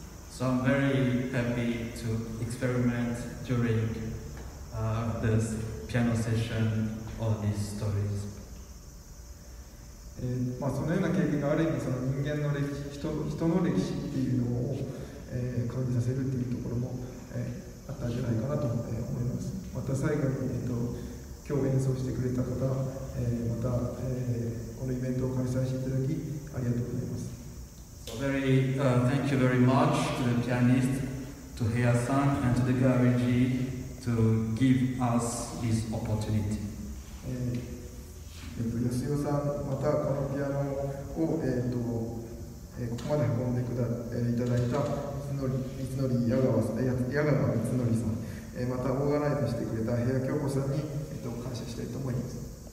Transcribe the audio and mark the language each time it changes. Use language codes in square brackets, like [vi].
[en] So I'm very happy to experiment during this piano session all these stories. [ja] そのような経験がある意味その人間の歴史、人の歴史っていうのを、感じさせるっていうところも、あったんじゃないかなと思います。また最後に、今日演奏してくれた方、また、このイベントを開催していただきありがとうございます。 [en] So very, thank you very much to the pianist, to Heya-san and to the Gaviji to give us this opportunity. [ja] ヨシオさん、またこのピアノを、ここまで運んでいただいた矢川光則さん、またオーガナイズしてくれた平野京子さんに、感謝したいと思います。